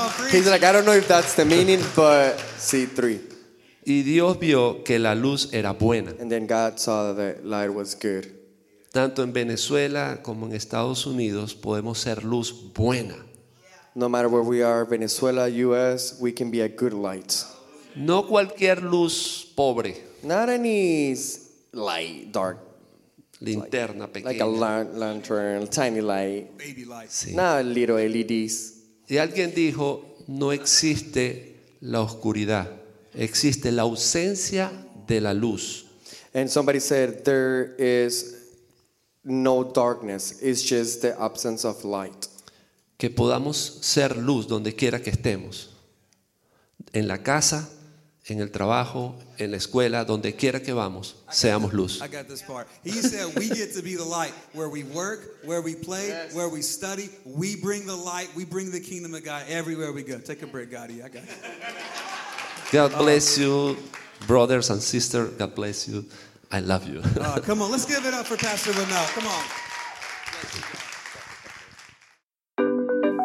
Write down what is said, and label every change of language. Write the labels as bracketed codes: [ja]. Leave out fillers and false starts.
[en] He's like, I don't know if that's the meaning, but C3. [es] Y Dios vio que la luz era buena. [en] And then God saw that the light was good. [es] Tanto en Venezuela como en Estados Unidos podemos ser luz buena. [en] No matter where we are, Venezuela, US, we can be a good light. [es] No cualquier luz pobre. [en] Not any light, dark. [es] Linterna [en] like, [es] pequeña. [en] Like a lantern, a tiny light. Baby light. Sí. Not little LEDs. [es] Y alguien dijo, no existe la oscuridad. Existe la ausencia de la luz. [en] And somebody said, there is no darkness. It's just the absence of light. [es] Que podamos ser luz donde quiera que estemos. En la casa, en el trabajo, en la escuela, donde quiera que vamos, seamos luz. [en] I got this part. He said we get to be the light where we work, where we play, where we study. We bring the light. We bring the kingdom of God everywhere we go. Take a break, Gotti. I got you. God bless you, brothers and sisters. God bless you. I love you. Come on. Let's give it up for Pastor Vanell. Come on.